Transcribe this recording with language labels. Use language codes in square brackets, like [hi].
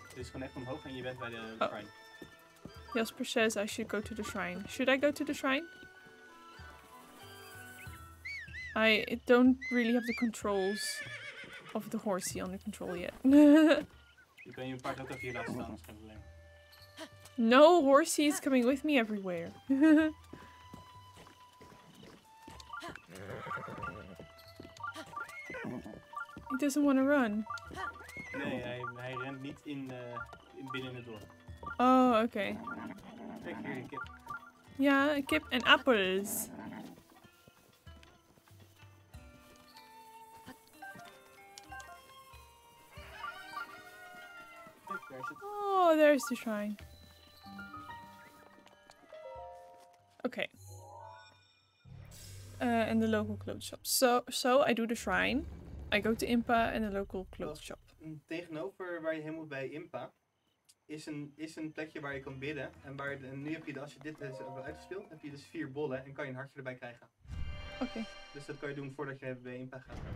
[nl] Het is gewoon echt omhoog en je bent bij de shrine. [en] Jasper says I should go to the shrine. Should I go to the shrine? I don't really have the controls. Of the horsey under control yet. You can your part of your last time. No, horsey is coming with me everywhere. He doesn't want to run. [nl] Nee, hij rent niet in de, binnen het dorp. [en] Oh, okay. [nl] Kijk hier, een kip. Ja, een kip en appels. [en] Oh, there's the shrine. Okay. And the local clothes shop. So I do the shrine. I go to Impa and the local clothes shop. [nl] Tegenover waar je heen moet bij Impa is een plekje waar je kan bidden. En waar de, nu heb je, de, als je dit hebt uitgespeeld, heb je dus 4 bollen en kan je een hartje erbij krijgen. [en] Okay. [nl] Dus dat kan je doen voordat je bij Impa gaat.